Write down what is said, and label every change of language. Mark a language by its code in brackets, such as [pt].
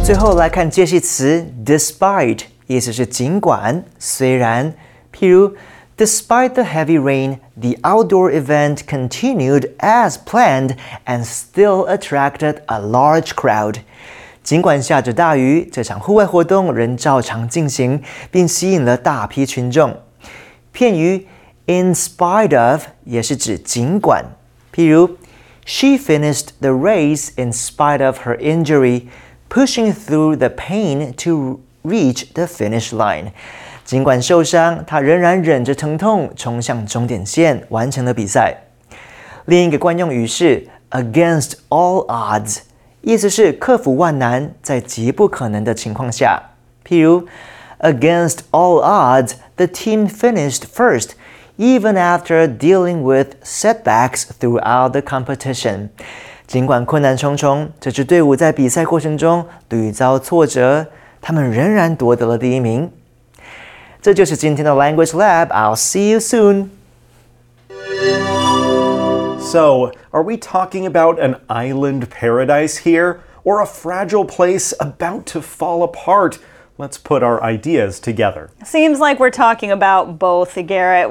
[en] Despite [zh] 意思是尽管, 虽然, 譬如, [en] despite the heavy rain, the outdoor event continued as planned and still attracted a large crowd. [zh] 尽管下着大雨, 这场户外活动仍照常进行, 并吸引了大批群众。片语, in spite of, 也是指尽管。 [en] 譬如, she finished the race in spite of her injury, pushing through the pain to reach the finish line. [zh] 尽管受伤, 她仍然忍着疼痛, 冲向终点线, 完成了比赛。另一个惯用语是, against all odds, 意思是克服万难, 在极不可能的情况下。 [en] 譬如, against all odds, the team finished first, even after dealing with setbacks throughout the competition. [zh] 尽管困难重重, 这支队伍在比赛过程中屡遭挫折, 他们仍然夺得了第一名。这就是今天的 [en] Language Lab, I'll see you soon! So, are we talking about an island paradise here? Or a fragile place about to fall apart? Let's put our ideas together. Seems like we're talking about both, Garrett.